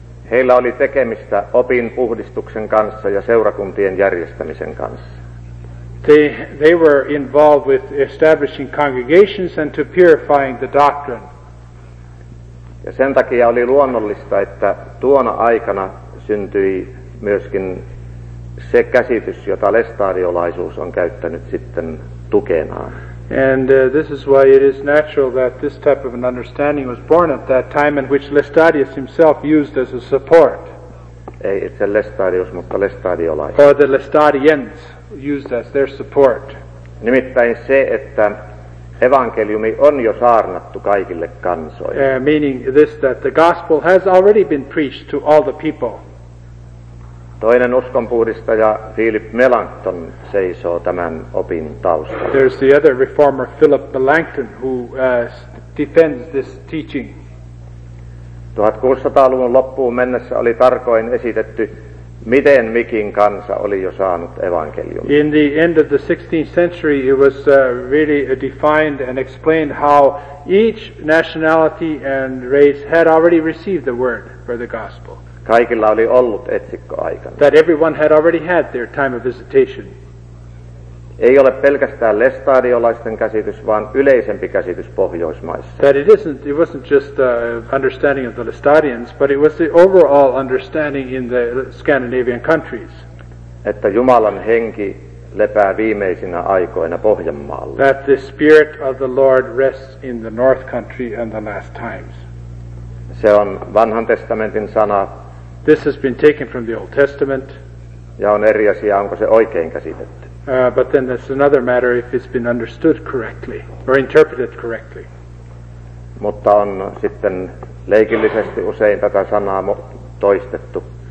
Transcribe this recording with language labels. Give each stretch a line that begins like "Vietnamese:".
Finnish: Heillä oli tekemistä opin puhdistuksen kanssa ja seurakuntien järjestämisen kanssa.
English: They were involved with establishing congregations and to purifying the doctrine.
Finnish: Ja sen takia oli luonnollista, että tuona aikana syntyi myöskin se käsitys, jota lestadiolaisuus on käyttänyt sitten tukenaan.
English: And this is why it is natural that this type of an understanding was born at that time and which Lestadius himself used as a support.
Finnish: Ei itse Lestadius, mutta lestadiolaiset.
English: Or the Lestadians used as their support.
Finnish: Nimittäin se, että evankeliumi on jo saarnattu kaikille kansoille.
English: Meaning this, that the gospel has already been preached to all the people.
Finnish: Toinen uskonpuhdistaja Philip Melanchthon seisoo tämän opin taustalla.
English: There's the other reformer Philip Melanchthon who defends this teaching.
Finnish: 1600-luvun loppuun mennessä oli tarkoin esitetty miten mikin kansa oli jo saanut evankeliumin.
English: In the end of the 16th century, it was really defined and explained how each nationality and race had already received the word for the gospel.
Finnish: Kaikilla oli ollut etsikkoaikana.
English: That everyone had already had their time of visitation.
Finnish: Ei ole pelkästään lestadiolaisten käsitys, vaan yleisempi käsitys Pohjoismaissa.
English: That it wasn't just the understanding of the Lestadians, but it was the overall understanding in the Scandinavian countries.
Finnish: Että Jumalan henki lepää viimeisinä aikoina Pohjanmaalla.
English: That the spirit of the Lord rests in the North Country and the last times.
Finnish: Se on Vanhan testamentin sana.
English: This has been taken from the Old Testament.
Finnish: Ja on eri asia, onko se oikein käsitetty.
English: But then that's another matter if it's been understood correctly or interpreted correctly.
Finnish: Mutta on sitten leikillisesti usein tätä sanaa toistettu.